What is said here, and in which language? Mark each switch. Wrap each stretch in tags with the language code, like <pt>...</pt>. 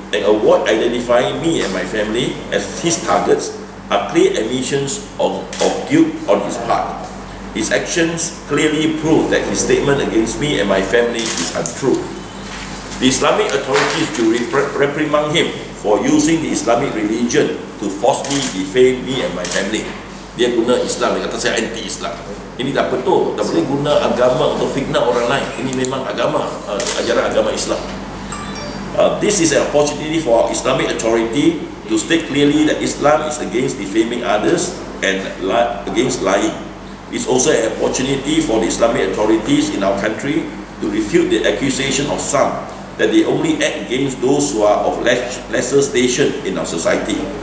<en>an award identifying me and my family as his targets are clear admissions of guilt on his part. His actions clearly prove that his statement against me and my family is untrue. The Islamic authorities will reprimand him for using the Islamic religion to falsely defame me and my family.</en> <ms>Dia guna Islam, dia kata saya anti-Islam. Ini tak betul, tak boleh guna agama untuk fitnah orang lain. Ini memang agama, ajaran agama Islam.</ms> <en>This is an opportunity for Islamic authority to state clearly that Islam is against defaming others and against lying. It's also an opportunity for the Islamic authorities in our country to refute the accusation of some that they only act against those who are of lesser station in our society.</en>